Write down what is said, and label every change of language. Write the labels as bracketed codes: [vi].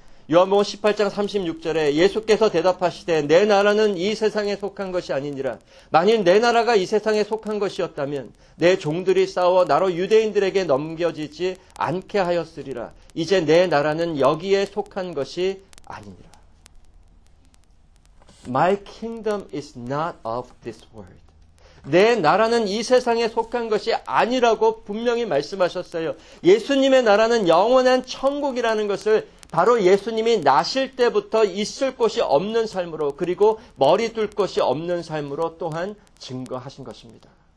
[ko] 요한복음 18장 36절에 예수께서 대답하시되 내 나라는 이 세상에 속한 것이 아니니라. 만일 내 나라가 이 세상에 속한 것이었다면 내 종들이 싸워 나로 유대인들에게 넘겨지지 않게 하였으리라. 이제 내 나라는 여기에 속한 것이 아니니라. [en] My kingdom is not of this world. [ko] 내 나라는 이 세상에 속한 것이 아니라고 분명히 말씀하셨어요. 예수님의 나라는 영원한 천국이라는 것을 바로 예수님이 나실 때부터 있을 곳이 없는 삶으로, 그리고 머리 둘 곳이 없는 삶으로 또한 증거하신 것입니다.